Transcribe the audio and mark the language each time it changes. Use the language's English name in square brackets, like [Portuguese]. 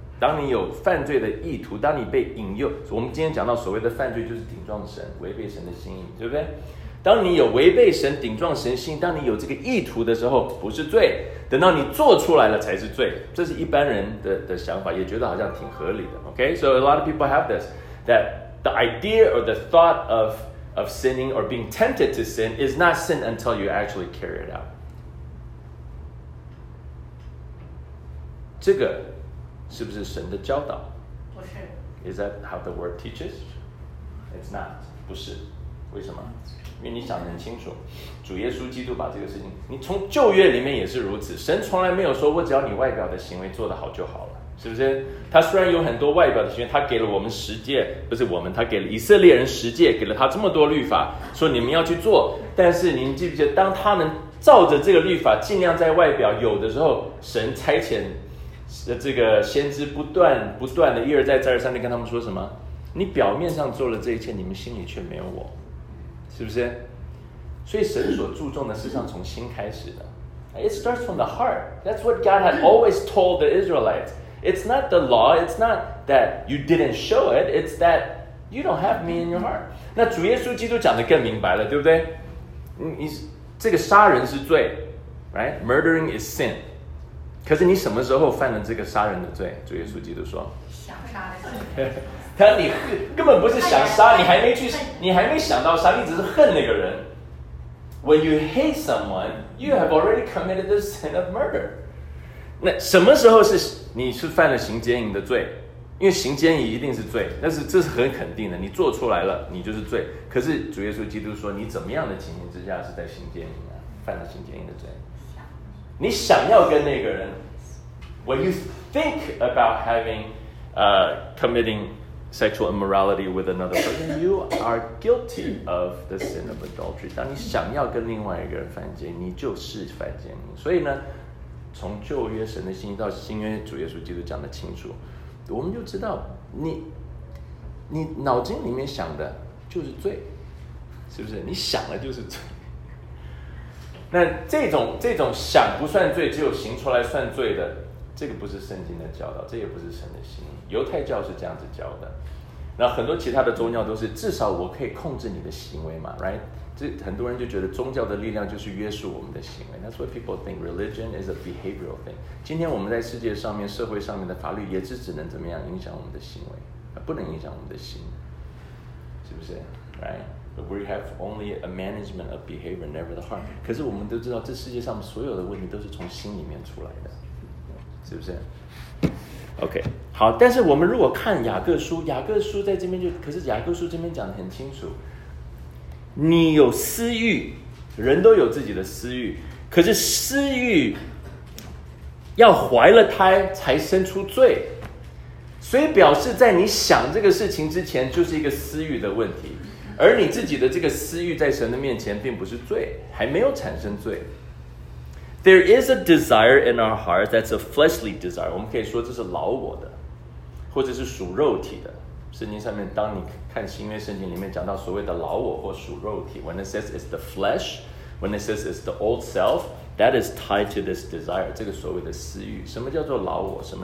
[Chinese] 当你有犯罪的意图，当你被引诱，我们今天讲到所谓的犯罪就是顶撞神，违背神的心意，对不对？当你有违背神、顶撞神心，当你有这个意图的时候，不是罪，等到你做出来了才是罪。这是一般人 的想法，也觉得好像挺合理的。 [English] Okay， so a lot of people have this that the idea or the thought of sinning or being tempted to sin is not sin until you actually carry it out. [Chinese] 这个是不是神的教导？不是。 [English] Is that how the word teaches? It's not. [Chinese] 不是。为什么？因为你想得很清楚，主耶稣基督把这个事情，你从旧约里面也是如此。神从来没有说我只要你外表的行为做得好就好了，是不是？他虽然有很多外表的行为，他给了我们十诫，不是我们，他给了以色列人十诫，给了他这么多律法，说你们要去做。但是您记不记得，当他们照着这个律法，尽量在外表有的时候，神差遣这个先知不断的一而再再而三的跟他们说什么？你表面上做了这一切，你们心里却没有我，是不是？所以神所注重的事实上从心开始的。 [English] It starts from the heart. That's what God had always told the Israelites. It's not the law, it's not that you didn't show it, it's that you don't have me in your heart. [Chinese] 那主耶稣基督讲得更明白了，对不对？你这个杀人是罪， right? [English] Murdering is sin. [Chinese] 可是你什么时候犯了这个杀人的罪？主耶稣基督说，想杀的罪。他说你根本不是想杀，你还没想到杀，你只是恨那个人。 [English] When you hate someone, you have already committed the sin of murder. [Chinese] 那什么时候是你是犯了行奸淫的罪？因为行奸淫一定是罪，但是这是很肯定的，你做出来了，你就是罪。可是主耶稣基督说，你怎么样的情形之下是在行奸淫啊？犯了行奸淫的罪，你想要跟那个人 [English] ，when you think about having, committing sexual immorality with another person, you are guilty of the sin of adultery. [Chinese] 当你想要跟另外一个人犯奸，你就是犯奸淫。所以呢？从旧约神的心意到新约主耶稣基督讲得清楚，我们就知道你脑筋里面想的就是罪，是不是？你想的就是罪。那这种想不算罪，只有行出来算罪的，这个不是圣经的教导，这也不是神的心意。犹太教是这样子教的，那很多其他的宗教都是至少我可以控制你的行为嘛， right? 这很多人就觉得宗教的力量就是约束我们的行为。 [English] That's what people think. Religion is a behavioral thing. [Chinese] 今天我们在世界上面、社会上面的法律也是只能怎么样影响我们的行为，不能影响我们的心，是不是？ [English] Right? We have only a management of behavior, never the heart. [Chinese] 可是我们都知道，这世界上所有的问题都是从心里面出来的，是不是？ OK, 好。但是我们如果看雅各书在这边就，可是雅各书这边讲得很清楚。你有私欲，人都有自己的私欲，可是私欲要怀了胎才生出罪，所以表示在你想这个事情之前就是一个私欲的问题，而你自己的这个私欲在神的面前并不是罪，还没有产生罪。 [English] There is a desire in our heart that's a fleshly desire. [Chinese] 我们可以说这是老我的，或者是属肉体的。圣经上面，当你看新约圣经里面讲到所谓的老我或属肉体 [English] ，when it says it's the flesh, when it says it's the old self, that is tied to this desire. [Chinese] 这个所谓的私欲，什么叫做老我？